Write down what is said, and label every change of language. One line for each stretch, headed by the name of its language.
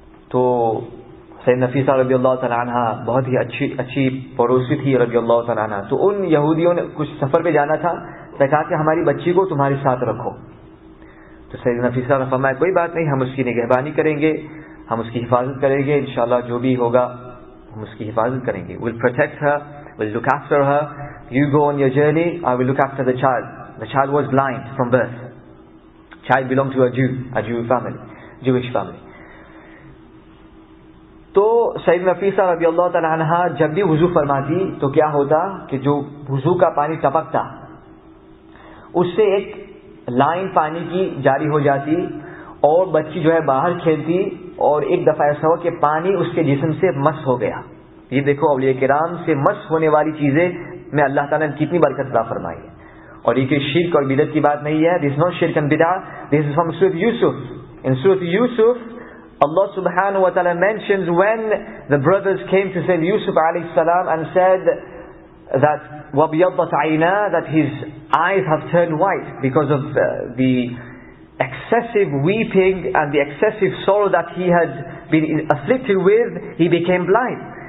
Urdu: To Sayyidina Fisa رضی اللہ تعالی عنہ بہت ہی اچھی پڑوسی تھی رضی اللہ تعالی عنہ. تو ان یہودیوں نے کچھ سفر پہ جانا تھا, تو کہا کہ ہماری بچی کو تمہارے ساتھ رکھو. تو سیدنا فیصل نے فرمایا کوئی بات نہیں, ہم اس کی نگہبانی کریں گے, ہم اس کی حفاظت کریں گے, انشاءاللہ جو بھی ہوگا ہم اس کی حفاظت کریں گے.
English: We'll protect her, we'll look after her, you go on your journey, I will look after the child. The child was blind from birth, child belonged to a Jewish family.
Urdu: تو سیدنا فیصل رضی اللہ تعالیٰ عنہ جب بھی وضو فرماتی تو کیا ہوتا کہ جو وضو کا پانی ٹپکتا اس سے ایک لائن پانی کی جاری ہو جاتی, اور بچی جو ہے باہر کھیلتی, اور ایک دفعہ ایسا ہو کہ پانی اس کے جسم سے مس ہو گیا. یہ دیکھو اولیاء کرام, سے مس ہونے والی چیزیں میں اللہ تعالیٰ نے کتنی برکت عطا فرمائی ہے. اور یہ کہ شرک اور بدعت کی بات نہیں ہے,
English: this not shirk and bidah, this is from
Urdu: سورۃ یوسف.
English: in Surah Yusuf Allah subhanahu wa ta'ala mentions when the brothers came to Sayyidina Yusuf alayhi salam and said that
Arabic: وَبْيَضَّتْ عَيْنَا,
English: that his eyes have turned white because of the excessive weeping and the excessive sorrow that he had been afflicted with, he became blind.